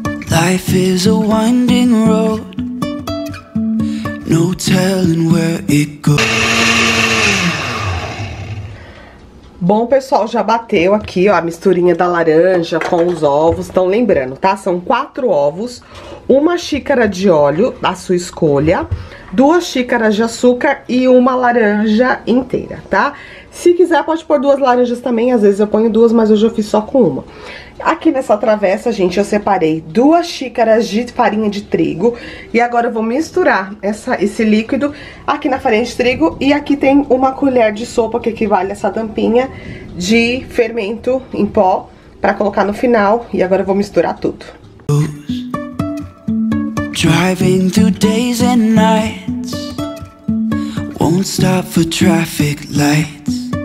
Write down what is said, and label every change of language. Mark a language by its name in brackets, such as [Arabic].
[English] Life is a winding road, no telling where it goes. [Portuguese] Bom, pessoal, já bateu aqui, ó, a misturinha da laranja com os ovos. Então, lembrando, tá? São quatro ovos, uma xícara de óleo, da sua escolha, duas xícaras de açúcar e uma laranja inteira, tá? Se quiser, pode pôr duas laranjas também. Às vezes eu ponho duas, mas hoje eu fiz só com uma. Aqui nessa travessa, gente, eu separei duas xícaras de farinha de trigo. E agora eu vou misturar esse líquido aqui na farinha de trigo. E aqui tem uma colher de sopa, que equivale a essa tampinha de fermento em pó, pra colocar no final. E agora eu vou misturar tudo. [English] Driving through days and nights, won't stop for traffic lights.